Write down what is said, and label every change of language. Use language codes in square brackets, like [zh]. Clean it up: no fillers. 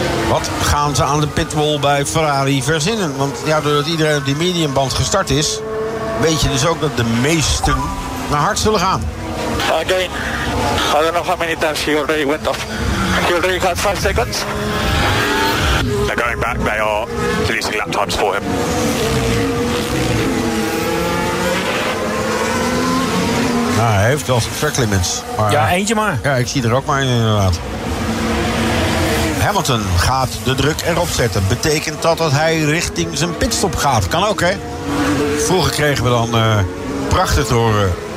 [nl] Wat gaan ze aan de pitwall bij Ferrari verzinnen? Want ja, doordat iedereen op die mediumband gestart is... weet je dus ook dat de meesten naar hard zullen gaan. [en] again. I don't know how many times he already went off. He already had 5 seconds. They're going back. They are releasing lap times for him. [nl] Nou, hij heeft wel verklimmens. Maar, ja, eentje maar. Ja, ik zie er ook maar in, inderdaad. Hamilton gaat de druk erop zetten. Betekent dat dat hij richting zijn pitstop gaat? Kan ook, hè? Vroeger kregen we dan prachtig te horen.